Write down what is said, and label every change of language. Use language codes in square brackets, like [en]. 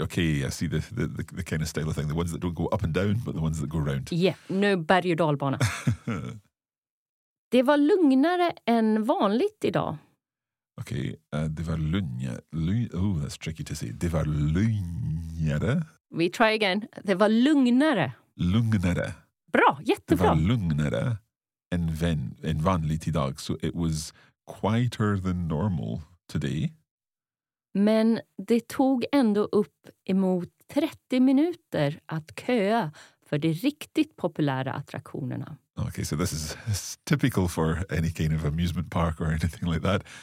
[en] Okay, I see the kind of style of thing. The ones that don't go up and down, but the ones that go round. [sv] Yeah, no berg- och dalbana. Det var lugnare än vanligt idag. [en] Okay, det var lugnare. Oh, that's tricky to say. [sv] Det var lugnare. [en] We try again. Det var lugnare. [sv] Lugnare. Bra, jättebra. Det var lugnare än vanligt idag. [en] So it was quieter than normal today. [sv] Men det tog ändå upp emot 30 minuter att köa för de riktigt populära attraktionerna. [en] Okay, so this is typical for any kind of amusement park or anything like that.